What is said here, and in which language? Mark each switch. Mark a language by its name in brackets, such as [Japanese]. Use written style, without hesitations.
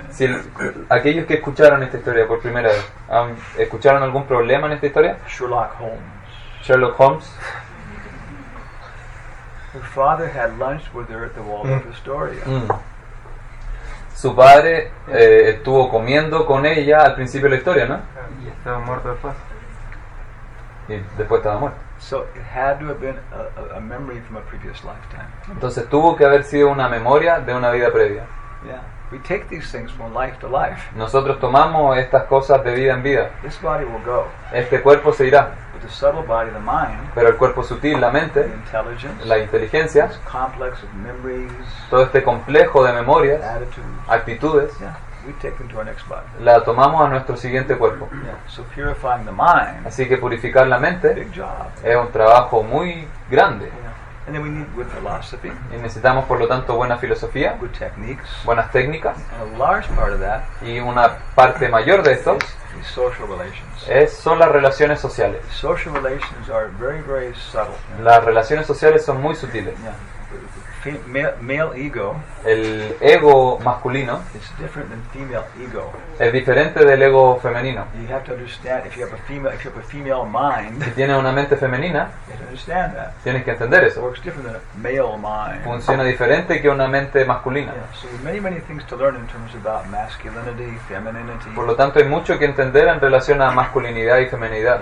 [Spanish] Si aquellos que escucharon esta historia por primera vez, ¿escucharon algún problema en esta historia? [English] Sherlock Holmes. [Spanish] Sherlock Holmes. [English] Her father had lunch with her at the Waldorf Astoria. [Spanish] Su padre estuvo comiendo con ella al principio de la historia, ¿no? Y estaba muerto después. Y después estaba muerto. [English] So it had to have been a memory from a previous lifetime. [Spanish] Entonces tuvo que haber sido una memoria de una vida previa. [English] Yeah, we take these things from life to life. [Spanish] Nosotros tomamos estas cosas de vida en vida. [English] This body will go. [Spanish] Este cuerpo se irá. [English] But the subtle body, the mind. [Spanish] Pero el cuerpo sutil, la mente. [English] The intelligence. [Spanish] La inteligencia. [English] This complex of memories. [Spanish] Todo este complejo de memorias. [English] Attitudes. [Spanish] Actitudes. [English] Yeah. We take them to our next body. [Spanish] La tomamos a nuestro siguiente cuerpo. [English] Yeah. So purifying the mind. [Spanish] Así que purificar la mente. [English] Big job. [Spanish] Es un trabajo muy grande. [English] Yeah. And then we need good philosophy. [Spanish] Y necesitamos, por lo tanto, buena filosofía, [English] good techniques, [Spanish] buenas técnicas. [English] And a large part of that, [Spanish] y una parte mayor de esto, [English] is social relations. [Spanish] Son las relaciones sociales. [English] Social relations are very, very subtle. [Spanish] Las relaciones sociales son muy sutiles. [English] Yeah. Male ego, [Spanish] el ego masculino, [English] is different than female ego. [Spanish] Es diferente del ego femenino. [English] You have to understand if you have a female, if you have a female mind. [Spanish] Si tienes una mente femenina, tienes que entender eso. [English] Works different than a male mind. [Spanish] Funciona diferente que una mente masculina. [English] Yeah. So many, many things to learn in terms about masculinity, femininity. [Spanish] Por lo tanto, hay mucho que entender en relación a masculinidad y feminidad.